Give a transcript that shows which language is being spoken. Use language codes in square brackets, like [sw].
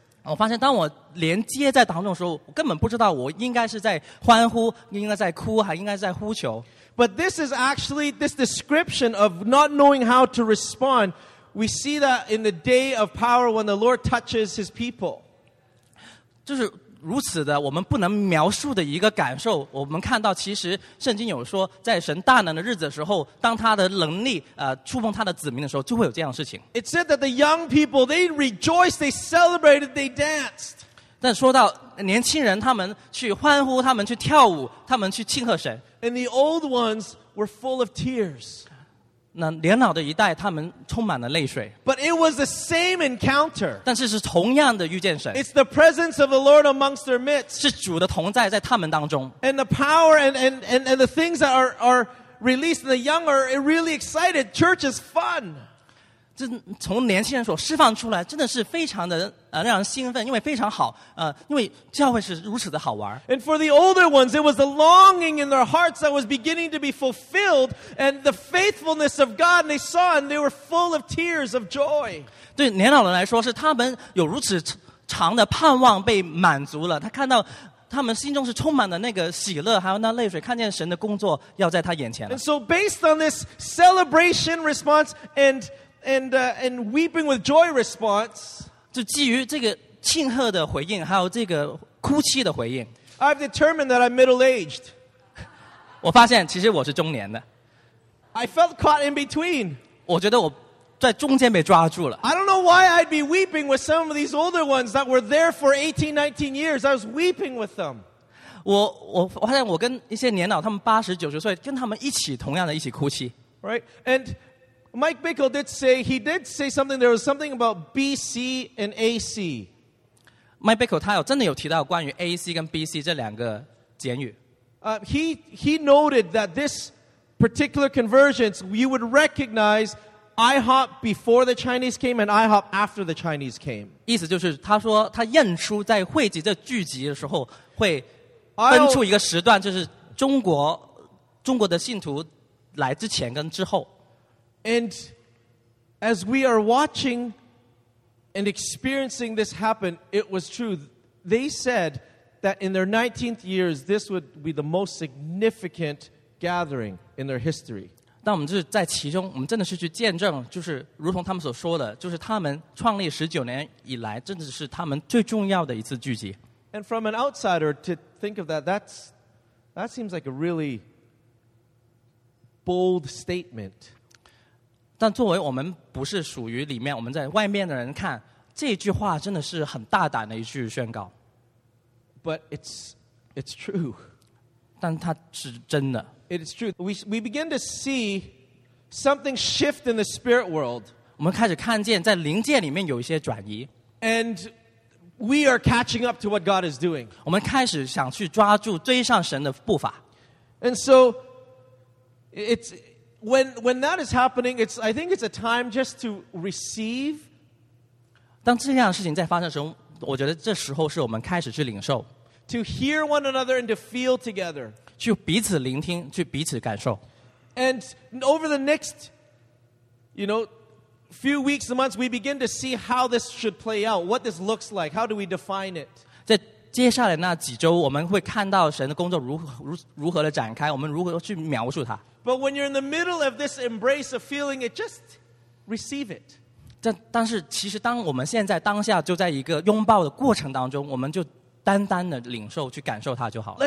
[zh] 我发现当我连接在当中的时候，我根本不知道我应该是在欢呼，应该在哭，还应该在呼求。 [en] But this is actually this description of not knowing how to respond. We see that in the day of power when the Lord touches His people. [zh] 就是如此的，我们不能描述的一个感受。我们看到，其实圣经有说，在神大能的日子的时候，当他的能力触碰他的子民的时候，就会有这样的事情。 [en] It said that the young people they rejoiced, they celebrated, they danced. [zh] 但说到年轻人他们去欢呼，他们去跳舞，他们去庆贺神。 [en] And the old ones were full of tears. [zh] 那年老的一代，他们充满了泪水。 [en] But it was the same encounter. [zh] 但是是同样的遇见神。 [en] It's the presence of the Lord amongst their midst. [zh] 是主的同在在他们当中。 [en] And the power and the things that are released in the young are really excited. Church is fun. [zh] 这从年轻人所释放出来真的是非常的让人兴奋，因为非常好，因为教会是如此的好玩。 [en] And for the older ones, it was the longing in their hearts that was beginning to be fulfilled, and the faithfulness of God, and they saw, and they were full of tears of joy. [zh] 对年老人来说，是他们有如此长的盼望被满足了，他看到他们心中是充满了那个喜乐，还有那泪水，看见神的工作要在他眼前了。 [en] And so based on this celebration response and weeping with joy response, [zh] 就基于这个庆贺的回应，还有这个哭泣的回应。 [en] I've determined that I'm middle-aged. [zh] 我发现其实我是中年的。 [en] I felt caught in between. [zh] 我觉得我在中间被抓住了。 [en] I don't know why I'd be weeping with some of these older ones that were there for 18, 19 years. I was weeping with them. [zh] 我发现我跟一些年老，他们80、90岁，跟他们一起同样的一起哭泣。 [en] Right, and... Mike Bickle did say, he did say something, there was something about BC and AC. [zh] Mike Bickle, 他真的有提到关于 AC 跟 BC 这两个简语。 [en] He noted that this particular conversions, you would recognize IHOP before the Chinese came and IHOP after the Chinese came. [zh] 意思就是他说他认出在汇集这聚集的时候会分出一个时段，就是中国的信徒来之前跟之后。 [en] And as we are watching and experiencing this happen, it was true. They said that in their 19th years, this would be the most significant gathering in their history. [zh] 但我们就是在其中，我们真的是去见证，就是如同他们所说的，就是他们创立19年以来，真的是他们最重要的一次聚集。 [en] And from an outsider to think of that, that seems like a really bold statement. [zh] 但作为我们不是属于里面，我们在外面的人看，这句话真的是很大胆的一句宣告。 [en] But it's true. [zh] 但它是真的。 [en] It is true. We begin to see something shift in the spirit world. [zh] 我们开始看见在灵界里面有一些转移。 [en] And we are catching up to what God is doing. [zh] 我们开始想去抓住追上神的步伐。 [en] And so it's... When that is happening, it's, I think it's a time just to receive. [zh] 当这样的事情在发生的时候，我觉得这时候是我们开始去领受。 [en] To hear one another and to feel together. [zh] 去彼此聆听，去彼此感受。 [en] And over the next, you know, few weeks and months, we begin to see how this should play out, what this looks like, how do we define it. [zh] 接下来那几周，我们会看到神的工作如何的展开，我们如何去描述它。 [en] But when you're in the middle of this embrace of feeling it, just receive it. [zh] 但是其实当我们现在当下就在一个拥抱的过程当中，我们就单单的领受去感受它就好了。